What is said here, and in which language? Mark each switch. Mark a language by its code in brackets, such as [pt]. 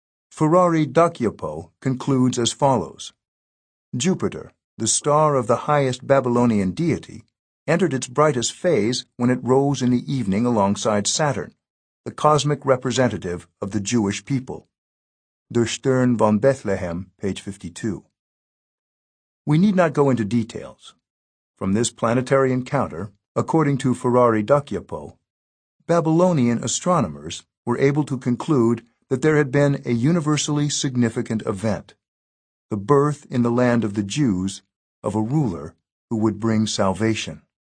[en] Ferrari d'Acchiappo concludes as follows. Jupiter, the star of the highest Babylonian deity, entered its brightest phase when it rose in the evening alongside Saturn, the cosmic representative of the Jewish people. [de] Der Stern von Bethlehem, page 52. [en] We need not go into details. From this planetary encounter, according to Ferrari d'Acchiappo, Babylonian astronomers were able to conclude that there had been a universally significant event, the birth in the land of the Jews of a ruler who would bring salvation.